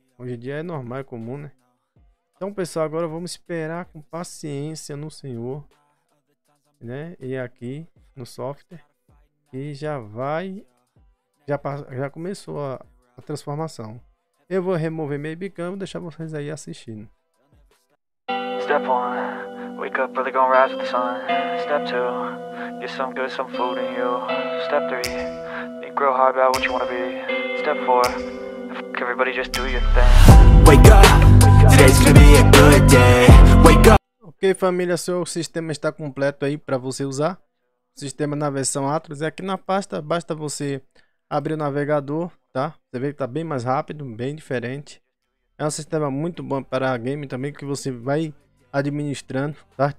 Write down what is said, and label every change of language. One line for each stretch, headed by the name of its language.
Portuguese: Hoje em dia é normal, é comum, né? Então, pessoal, agora vamos esperar com paciência no Senhor, né? E aqui no software. E já vai. Já começou a transformação. Eu vou remover minha webcam e deixar vocês aí assistindo.
English: Step 1, wake up early, gonna rise with the sun. Step 2, get some good, some food in you. Step 3, think grow hard about what you wanna be. Step 4, fuck everybody, just do your thing. Wake up, today's gonna be a good day. Wake up.
Portuguese: Ok, família, seu sistema está completo aí para você usar. Sistema na versão Atlas é aqui na pasta, basta você abrir o navegador, tá? Você vê que tá bem mais rápido, bem diferente. É um sistema muito bom para game também, que você vai administrando, tá?